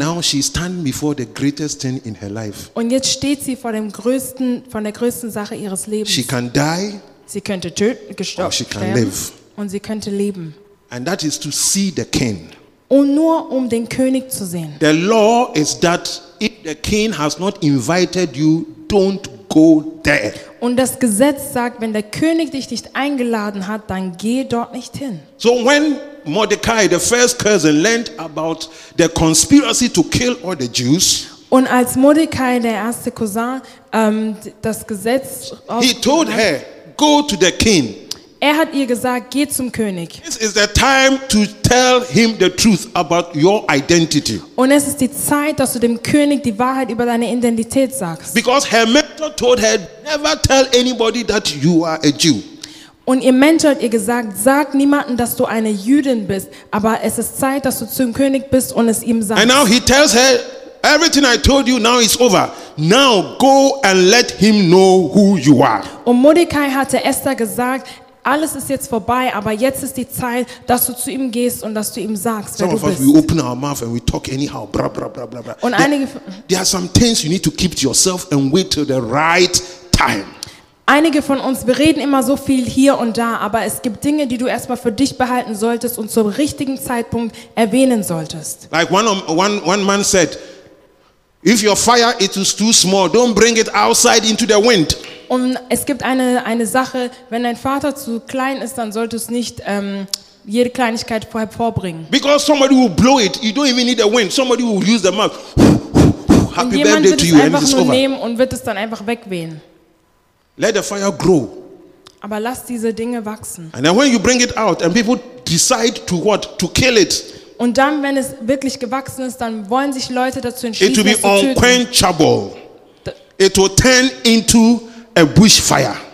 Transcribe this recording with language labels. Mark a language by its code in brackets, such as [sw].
[en] And now she's standing before the greatest thing in her life. [de] Und jetzt steht sie vor dem größten, von der größten Sache ihres Lebens. [en] She can die. [de] Sie könnte gestorben. Und sie könnte leben. [en] And that is to see the king. [de] Und nur um den König zu sehen. [en] The law is that if the king has not invited you, don't go there. [de] Und das Gesetz sagt, wenn der König dich nicht eingeladen hat, dann geh dort nicht hin. [en] So when Mordecai, the first cousin, learned about the conspiracy to kill all the Jews. [de] Und als Mordecai, der erste Cousin, das Gesetz, [en] he told her, go to the king. [de] Er hat ihr gesagt, geh zum König. [en] This is the time to tell him the truth about your identity. [de] Und es ist die Zeit, dass du dem König die Wahrheit über deine Identität sagst. [en] Because her mentor told her, never tell anybody that you are a Jew. [de] Und ihr Mentor hat ihr gesagt, sag niemanden, dass du eine Jüdin bist, aber es ist Zeit, dass du zum König bist und es ihm sagst. [en] And now he tells her, everything I told you now is over. Now go and let him know who you are. [de] Und Mordecai hatte Esther gesagt, alles ist jetzt vorbei, aber jetzt ist die Zeit, dass du zu ihm gehst und dass du ihm sagst, [en] some [de] wer du bist. [en] Some of us, we open our mouth and we talk anyhow, blah, blah, blah, blah, blah. [de] Und einige, [en] there are some things you need to keep to yourself and wait till the right time. [de] Einige von uns, wir reden immer so viel hier und da, aber es gibt Dinge, die du erstmal für dich behalten solltest und zum richtigen Zeitpunkt erwähnen solltest. [en] Like one man said, if your fire it is too small, don't bring it outside into the wind. [de] Und es gibt eine Sache, wenn dein Vater zu klein ist, dann solltest du nicht jede Kleinigkeit vorher vorbringen. [en] Because somebody will blow it, you don't even need the wind, somebody will use the mouth. Happy birthday to you, and it's over. [de] Jemand wird es einfach nur nehmen und wird es dann einfach wegwehen. [en] Let the fire grow. [de] Aber lass diese Dinge wachsen. [en] And then when you bring it out and people decide to what? To kill it. [de] Und dann, wenn es wirklich gewachsen ist, dann wollen sich Leute dazu entschließen, [en] it will be [de] es zu töten. [en] Unquenchable. It will turn into a bushfire.